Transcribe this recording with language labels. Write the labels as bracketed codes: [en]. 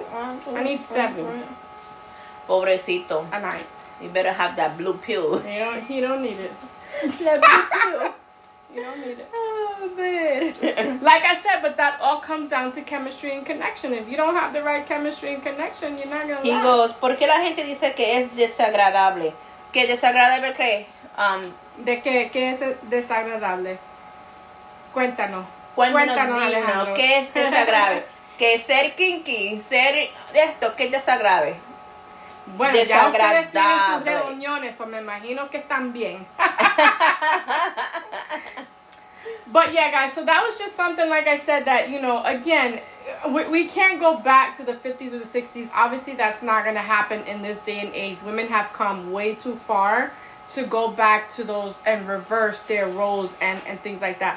[en] I need seven. [es] Pobrecito. [en] A night. You better have that blue pill. He don't need it. That blue pill. You don't need it. Oh, man. Like I said, but that all comes down to chemistry and connection. If you don't have the right chemistry and connection, you're not going to last. He goes, [es] ¿por qué la gente dice que es desagradable? ¿Qué desagradable qué? ¿De qué? ¿Qué es desagradable? Cuéntanos. Cuéntanos, Alejandro. ¿Qué es desagradable? ¿Qué es ser kinky? ¿Ser esto? ¿Qué es desagradable? Bueno, ya ustedes tienen sus reuniones, so me imagino que están bien. [en] But yeah, guys, so that was just something, like I said, that, you know, again, we can't go back to the 50s or the 60s. Obviously, that's not going to happen in this day and age. Women have come way too far to go back to those and reverse their roles and things like that.